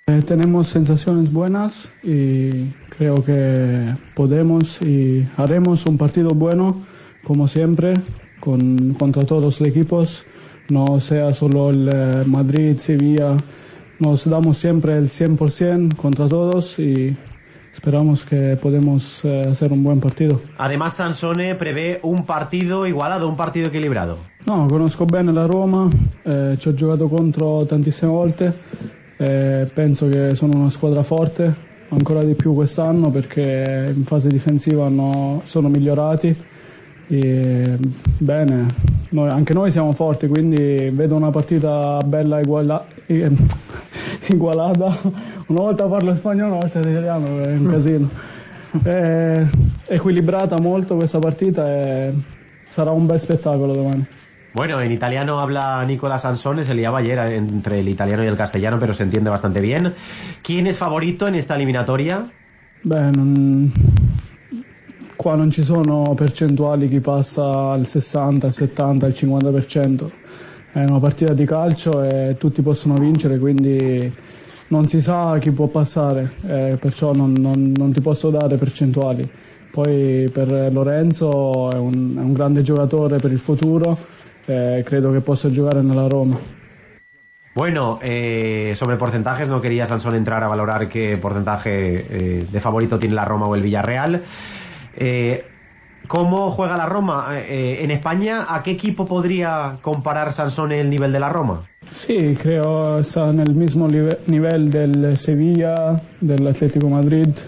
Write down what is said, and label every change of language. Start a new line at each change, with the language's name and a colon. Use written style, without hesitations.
Spanish: Tenemos sensaciones buenas y creo que podemos y haremos un partido bueno, como siempre, contra todos los equipos, no sea solo el Madrid, Sevilla, nos damos siempre el 100% contra todos y esperamos que podemos hacer un buen partido. Además, Sansone prevé un partido igualado, un partido equilibrado.
Italian: No, conozco bene la Roma, ci ho giocato contro tantissime volte. Penso che sono una squadra forte, ancora di più quest'anno perché in fase difensiva sono migliorati. E bene, noi, anche noi siamo forti, quindi vedo una partita bella igualata. Una volta parlo spagnolo, una volta italiano, è un casino. È equilibrata molto questa partita e sarà un bel spettacolo domani.
Spanish: Bueno, en italiano habla Nicolás Sansone, se liaba ayer entre el italiano y el castellano, pero se entiende bastante bien. ¿Quién es favorito en esta eliminatoria?
Italian: Bene, qua non ci sono percentuali, chi passa al 60, al 70, al 50%. È una partita di calcio e tutti possono vincere, quindi non si sa chi può passare, perciò non ti posso dare percentuali. Poi per Lorenzo è un grande giocatore per il futuro, credo che possa giocare nella Roma.
Spanish: Bueno, sobre porcentajes, no quería Sansone entrar a valorar qué porcentaje de favorito tiene la Roma o el Villarreal. ¿Cómo juega la Roma? En España, ¿a qué equipo podría comparar Sansone el nivel de la Roma? Sí, creo que está en el mismo nivel del Sevilla, del Atlético Madrid.